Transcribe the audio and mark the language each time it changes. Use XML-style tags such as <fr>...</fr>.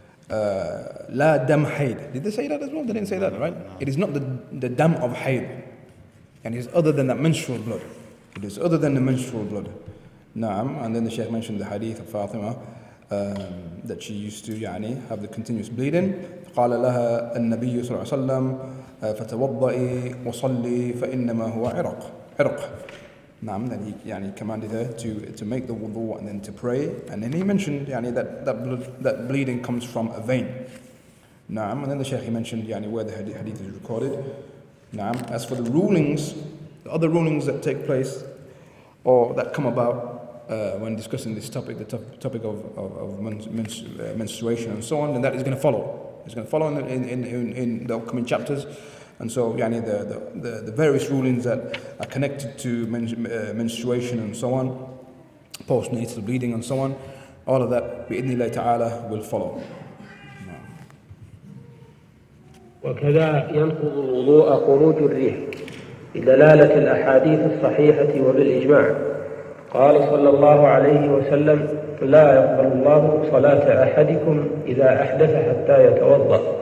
<ar>لَا دَمْ حَيْد.</ar> <en>Did they say that as well? They didn't say that, right? No. It is not the dam of حَيْد. And it is other than that menstrual blood. It is other than the menstrual blood. Naam. And then the Shaykh mentioned the hadith of Fatima. That she used to يعني, have the continuous bleeding.</en> <ar>قال لها النبي صلى الله عليه وسلم فتوضئي وصلي فإنما هو عرق عرق. نعم.</ar> <en>Then he يعني, commanded her to make the wudu and then to pray. And then he mentioned يعني, that bleeding comes from a vein.</en> <ar>نعم.</ar> <en>And then the Shaykh mentioned يعني, where the hadith is recorded.</en> <ar>نعم.</ar> <en>As for the rulings, the other rulings that take place or that come about when discussing this topic, the topic of menstruation and so on, then that is going to follow. It's going to follow in the upcoming chapters. And so, yani the various rulings that are connected to menstruation and so on, postnatal bleeding and so on, all of that,</en> <ar>بإذن الله تعالى,</ar> <en>will follow.</en> <ar>وكذا ينقض الوضوء خروج الريح لدلالة الأحاديث الصحيحة وبالإجماع. قال صلى الله عليه وسلم لا يقبل الله صلاة أحدكم إذا أحدث حتى يتوضأ.</ar>